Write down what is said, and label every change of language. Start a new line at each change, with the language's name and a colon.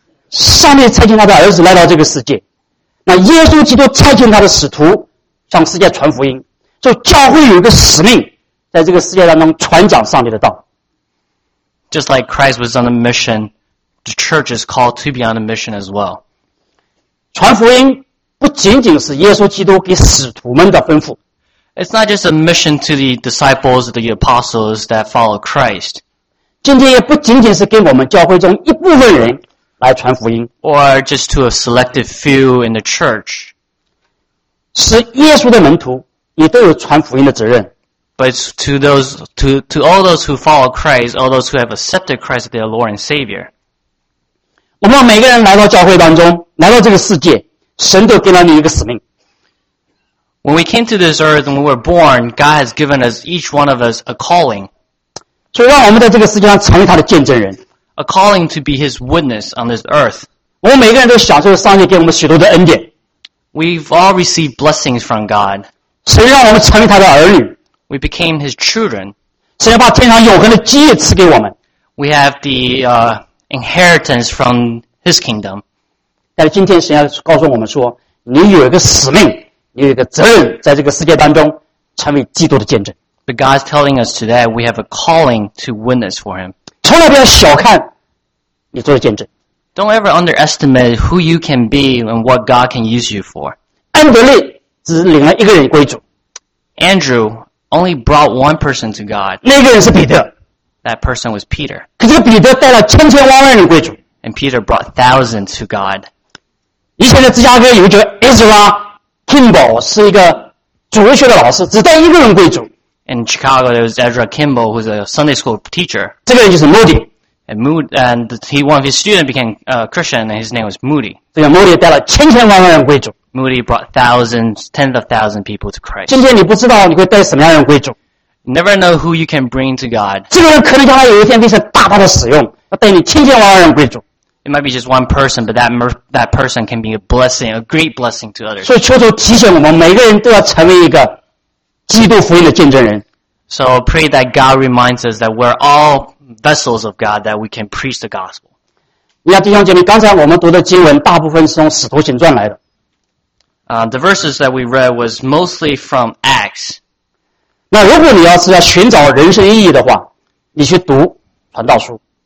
Chinese: 上帝差遣他的儿子来到这个世界，那耶稣基督差遣他的使徒向世界传福音，就教会有一个使命，在这个世界当中传讲上帝的道。
English: Just like Christ was on a mission, the church is called to be on a mission as well.
Chinese: 传福音不仅仅是耶稣基督给使徒们的吩咐。
English: It's not just a mission to the disciples, the apostles that follow Christ.
Chinese: 今天也不仅仅是给我们教会中一部分人来传福音。
English: Or just to a selective few in the church.
Chinese: 是耶稣的门徒也都有传福音的责任。
English: But to all those who follow Christ, all those who have accepted Christ as their Lord and Savior.
Chinese: 我们每个人来到教会当中，来到这个世界，神都给了你一个使命。
English: When we came to this earth and we were born, God has given us, each one of us, a calling.
Chinese: 所以让我们在这个世界上成为他的见证人。
English: A calling to be his witness on this earth.
Chinese: 我们每个人都享受上帝给我们许多的恩典。
English: We've all received blessings from God.
Chinese: 神让我们成为他的儿女。
English: We became his children.
Chinese: 神要把天上永恒的基业赐给我们。
English: We have the inheritance from his kingdom.
Chinese: 但是今天神要告诉我们说，你有一个使命，你有一个责任，在这个世界当中成为基督的见证。
English: But God's telling us today we have a calling to witness for him.
Chinese: 从来不要小看你做的见证。
English: Don't ever underestimate who you can be and what God can use you for.
Chinese: 安德烈只领了一个人归主。
English: Andrew only brought one person to God.
Chinese: 那个人是彼得。
English: That person was Peter.
Chinese: 可是彼得带了千千万万人归主。
English: And Peter brought thousands to God.
Chinese: 以前的芝加哥有一个 Ezra Kimball 是一个主日学的老师，只带一个人归主。
English: In Chicago, there was Ezra Kimball, who's a Sunday school teacher.
Chinese: 这个人就是 Moody.
English: And Moody, and he, one of his students became a Christian, and his name was Moody.
Chinese: 这个 Moody 带了千千万万人归主。
English: Moody brought thousands, tens of thousands of people to Christ.
Chinese: 今天你不知道你会带什么样的人归主。
English: Never know who you can bring to God.
Chinese: 这个人可能将来有一天被神大大的使用，要带你千千万万人归主。
English: It might be just one person, but that person can be a blessing, a great blessing to others.
Chinese: 所以求主提醒我们，每个人都要成为一个基督福音的见证人。
English: So pray that God reminds us that we're all vessels of God, that we can preach the gospel.
Chinese: 那弟兄姐妹，刚才我们读的经文大部分是从《使徒行传》来的。
English: The verses that we read was mostly from Acts.
Chinese: 那如果你要是要寻找人生意义的话，你去读《传道书》。